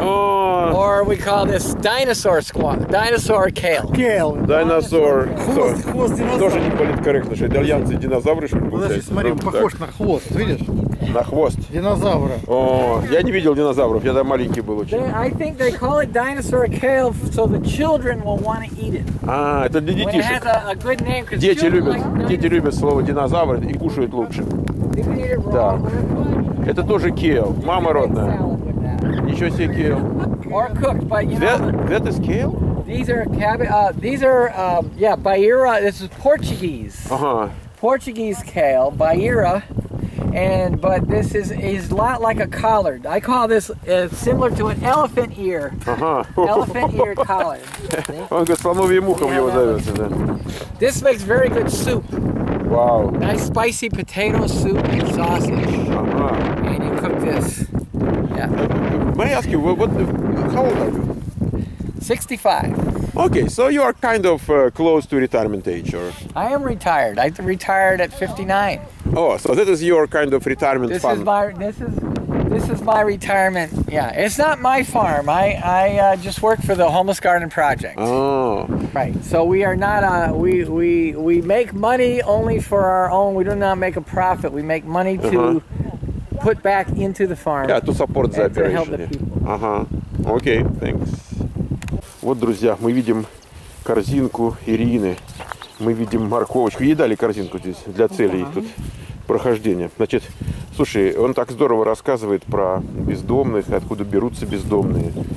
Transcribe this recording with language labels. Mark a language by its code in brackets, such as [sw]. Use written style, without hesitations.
[en] Oh. Or we call this dinosaur squash. Dinosaur kale. Kale. Dinosaur. [ru] Хвост динозавра. Тоже не политкорректно, что итальянцы динозавры, что ли, получается? Подожди, смотри, он похож на хвост, видишь? На хвост. Динозавра. О, я не видел динозавров, я там маленький был очень. [en] I think they call it dinosaur kale, so the children will want to eat it. [ru] Это для детишек. Дети любят слово динозавр и кушают лучше. Да. Это тоже кейл. Мама родная. Ничего себе кейл. [en] Or cooked, but you know. That is kale? These are Baira. This is Portuguese. Portuguese kale, Baira. But this is a lot like a collard. I call this similar to an elephant ear. Elephant ear collard. [ru] Он слоновьим ухом его зовет. [en] This makes very good soup. Wow. Nice spicy potato soup and sausage. And you cook this. Yeah. May I ask you, how old are you? 65. Okay, so you are kind of close to retirement age, or? I am retired. I retired at 59. Oh, so this is your kind of retirement this farm. This is my retirement. Yeah, it's not my farm. I just work for the Homeless Garden Project. Oh. Right. So we are not we make money only for our own. We do not make a profit. We make money to put back into the farm. Yeah, to support the operation. To help the people. Okay. Thanks. [ru] Вот, друзья, мы видим корзинку Ирины, мы видим морковочку. Ей дали корзинку здесь для целей тут прохождения. Значит, слушай, он так здорово рассказывает про бездомных, откуда берутся бездомные.